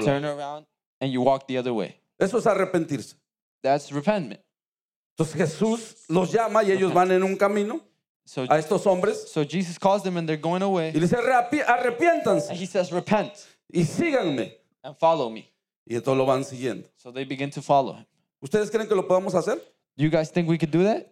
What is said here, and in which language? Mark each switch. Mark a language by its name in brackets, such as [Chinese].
[English] and you turn around and you walk the other way. [Spanish] Eso es arrepentirse. [English] That's repentment. [Spanish] Entonces Jesús los llama y ellos van en un camino. [English] So, [Spanish] a estos hombres, [English] so Jesus calls them and they're going away. [Spanish] Y dice, arrepiéntanse. [English] And he says, repent. [Spanish] Y síganme. [English] And follow me. [Spanish] Y entonces lo van siguiendo. [English] So they begin to follow him. [Spanish] ¿Ustedes creen que lo podamos hacer? [English] Do you guys think we could do that?